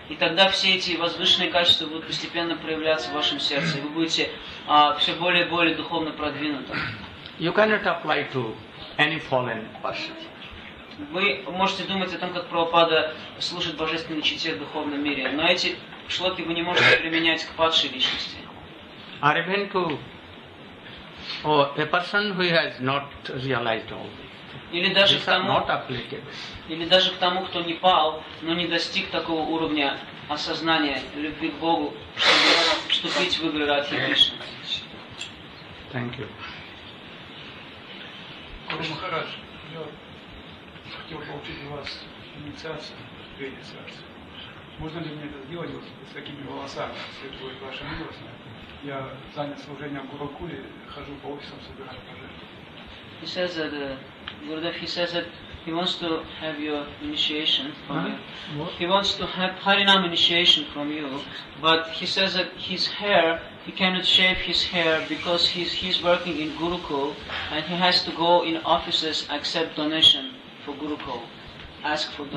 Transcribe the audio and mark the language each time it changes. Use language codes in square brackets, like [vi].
[ru] И тогда все эти возвышенные качества будут постепенно проявляться в вашем сердце, и вы будете все более и более духовно продвинутым. [en] You cannot apply to any fallen person. [ru] Вы можете думать о том, как Прабхупада служит божественной чите в духовном мире, но эти шлоки вы не можете применять к падшей личности. [en] Or even to a person who has not realized all this. This are not applicable. [ru] Или даже к тому, кто не пал, но не достиг такого уровня осознания любви к Богу, чтобы вступить в игры Радхи Кришны. [en] Thank you. [ru] Гуру Махарадж, я хотел получить у вас инициацию, две инициации. Можно ли мне это сделать вот с такими волосами, если это будет ваша милость? Я занят служением в Гурукуле, хожу по офисам, собираю пожертвования. [en] He says that, Gurudev, he says that he wants to have your initiation from you. He wants to have Harinam initiation from you, but he says that his hair, he cannot shave his hair because he's working in Gurukul and he has to go in offices, accept donation for Gurukul, ask for donation.